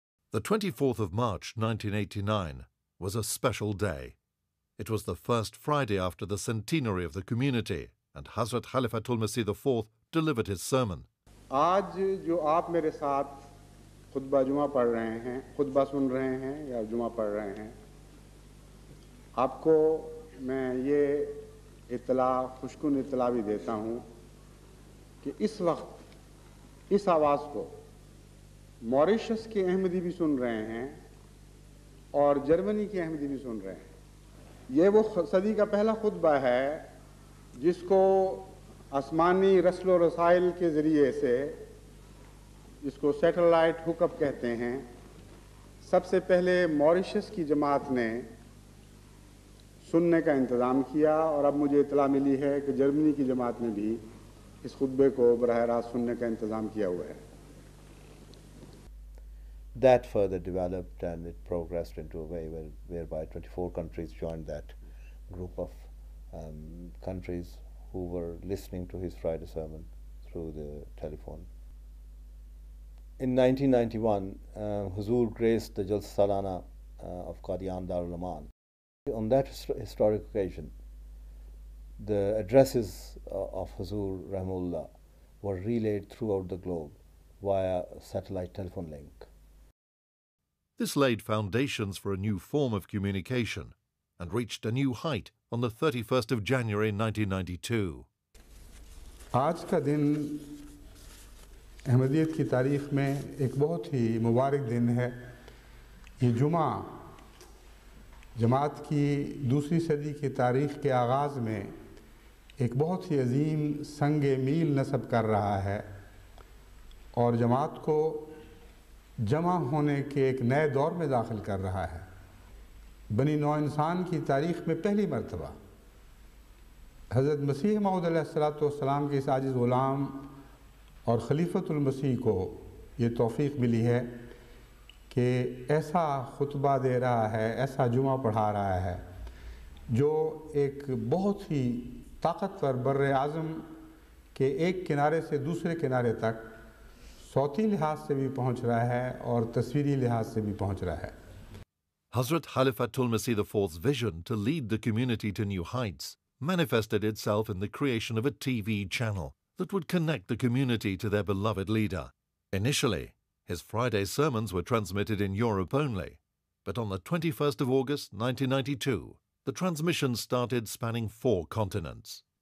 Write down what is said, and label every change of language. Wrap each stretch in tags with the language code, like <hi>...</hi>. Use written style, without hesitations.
<en>The 24th of March 1989 was a special day. It was the first Friday after the centenary of the community, and Hazrat Khalifatul Masih IV delivered his sermon.</en> <ur>Aaj jo aap mere saath khutba juma pad rahe hain, khutba sun rahe hain ya juma pad rahe hain, aapko میں یہ اطلاع, خوشکن اطلاع بھی دیتا ہوں کہ اس وقت اس آواز کو موریشس کے احمدی بھی سن رہے ہیں اور جرمنی کے احمدی بھی سن رہے ہیں. یہ وہ صدی کا پہلا خطبہ ہے جس کو آسمانی رسل و رسائل کے ذریعے سے, جس کو سیٹلائٹ ہک اپ کہتے ہیں, سب سے پہلے موریشس کی جماعت نے سننے کا انتظام کیا, اور اب مجھے اطلاع ملی ہے کہ جرمنی کی جماعت نے بھی اس خطبے کو براہ راست سننے کا انتظام کیا ہوا ہے.</ur> <en>That further developed and it progressed into a way whereby 24 countries joined that group of countries who were listening to his Friday sermon through the telephone. In 1991, Huzoor graced the Jalsa Salana of Qadian Darul Aman. On that historic occasion, the addresses of Hazur Rahmullah were relayed throughout the globe via satellite telephone link. This laid foundations for a new form of communication, and reached a new height on the 31st of January 1992.</en> <ur>آج کا دن احمدیت کی تاریخ میں ایک بہت ہی مبارک دن ہے. یہ جمعہ جماعت کی دوسری صدی کی تاریخ کے آغاز میں ایک بہت ہی عظیم سنگ میل نصب کر رہا ہے اور جماعت کو جمع ہونے کے ایک نئے دور میں داخل کر رہا ہے. بنی نوع انسان کی تاریخ میں پہلی مرتبہ حضرت مسیح موعود علیہ الصلوۃ والسلام کے اس عاجز غلام اور خلیفۃ المسیح کو یہ توفیق ملی ہے کہ ایسا خطبہ دے رہا ہے, ایسا جمعہ پڑھا رہا ہے جو ایک بہت ہی طاقتور بر اعظم کے ایک کنارے سے دوسرے کنارے تک صوتی لحاظ سے بھی پہنچ رہا ہے اور تصویری لحاظ سے بھی پہنچ رہا ہے.</ur> <en>حضرت خلیفۃ المسیح IV's vision to lead the community to new heights manifested itself in the creation of a TV channel that would connect the community to their beloved leader. Initially, his Friday sermons were transmitted in Europe only, but on the 21st of August 1992, the transmission started spanning four continents.</en>